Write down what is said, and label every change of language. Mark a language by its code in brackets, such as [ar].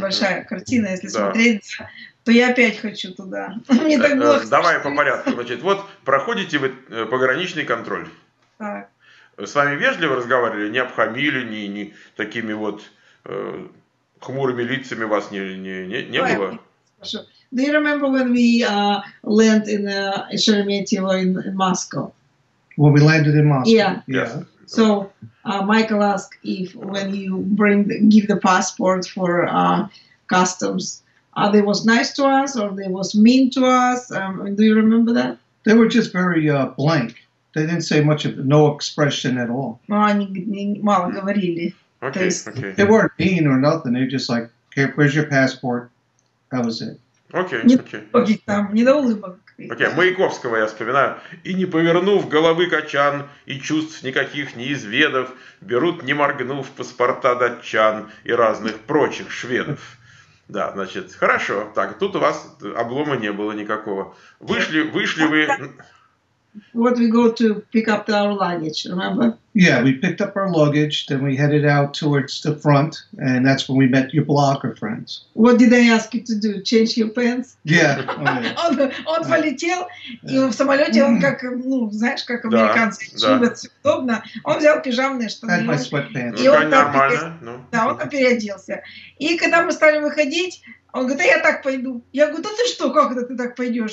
[ru] большая картина, если да. смотреть, то я опять хочу туда. Мне так было. Давай по порядку. Проходите вы пограничный контроль. Так. С вами вежливо разговаривали, не обхамили, не такими хмурыми лицами вас не было? Хорошо. [en] Do you remember when we land in Sheremetyevo in Moscow? When we landed in Moscow. Yeah. Yes. So Michael asked if when you give the passport for customs, are they was nice to us or they was mean to us? Do you remember that? They were just very blank. They didn't say much of no expression at all. [ru] Ну, они мало говорили. [en] Okay. They weren't mean or nothing. They were just like, "Here, where's your passport?" That was it. [ru] Окей, Маяковского я вспоминаю. И не повернув головы качан, и чувств никаких не изведав, берут, не моргнув, паспорта датчан и разных прочих шведов. Да, хорошо. Так, тут у вас облома не было никакого. Вышли вы... [en] What we go to pick up our luggage, remember? Yeah, we picked up our luggage, then we headed out towards the front, and that's when we met your blogger friends. What did they ask you to do? Change your pants? Yeah. [ru] Он полетел, и в самолете он как американцы, любят все удобно. Он взял пижамные штаны. [en] Had my sweatpants. [ru] Ну, конечно, нормально. Да, он там переоделся. И когда мы стали выходить, он говорит, я так пойду. Я говорю, ты что, как это ты так пойдешь?